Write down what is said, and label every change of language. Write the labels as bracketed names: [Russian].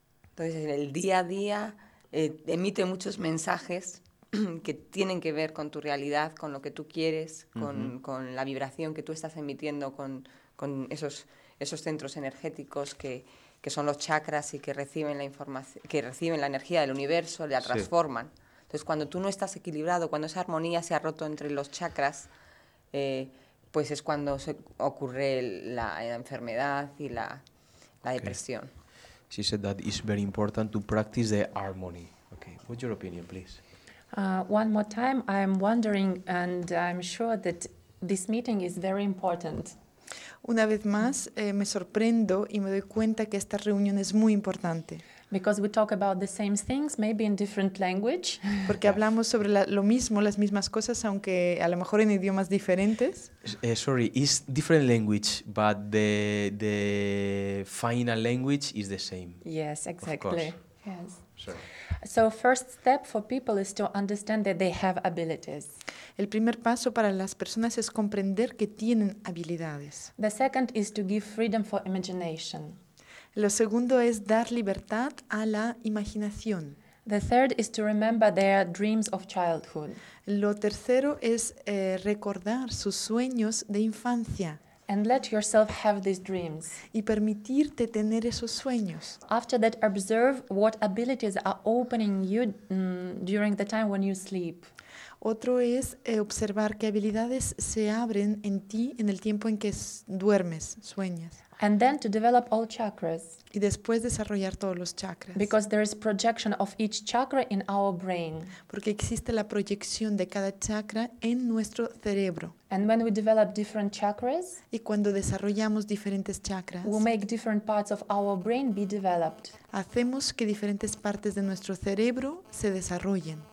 [Spanish] Entonces, el día a día emite muchos mensajes que tienen que ver con tu realidad, con lo que tú quieres, con la vibración que tú estás emitiendo, con esos centros energéticos que son los chakras y que reciben la información, que reciben la energía del universo, la transforman. Sí. Entonces, cuando tú no estás equilibrado, cuando esa armonía se ha roto entre los chakras, pues es cuando ocurre la enfermedad y la depresión. [English] She said that it's very important to practice the harmony. Okay, what's your opinion, please? One more time, I'm wondering, and I'm sure that this meeting is very important. [Spanish] Una vez más, me sorprendo y me doy cuenta que esta reunión es muy importante. [English] Because we talk about the same things, maybe in different language. [Spanish] Porque hablamos sobre lo mismo, las mismas cosas, aunque a lo mejor en idiomas diferentes. [English] Sorry, it's different language, but the final language is the same. Yes, exactly. Yes. Sorry. So first step for people is to understand that they have abilities. [Spanish] El primer paso para las personas es comprender que tienen habilidades. [English] The second is to give freedom for imagination. [Spanish] Lo segundo es dar libertad a la imaginación. [English] The third is to remember their dreams of childhood. [Spanish] Lo tercero es recordar sus sueños de infancia. [English] And let yourself have these dreams. [Spanish] Y permitirte tener esos sueños. [English] After that, observe what abilities are opening you during the time when you sleep. [Spanish] Otro es observar qué habilidades se abren en ti en el tiempo en que duermes, sueñas. [English] And then to develop all chakras. [Spanish] Y después desarrollar todos los chakras. [English] Because there is projection of each chakra in our brain. [Spanish] Porque existe la proyección de cada chakra en nuestro cerebro. [English] And when we develop different chakras, [Spanish] y cuando desarrollamos diferentes chakras, [English] we make different parts of our brain be developed. [Spanish] Hacemos que diferentes partes de nuestro cerebro se desarrollen.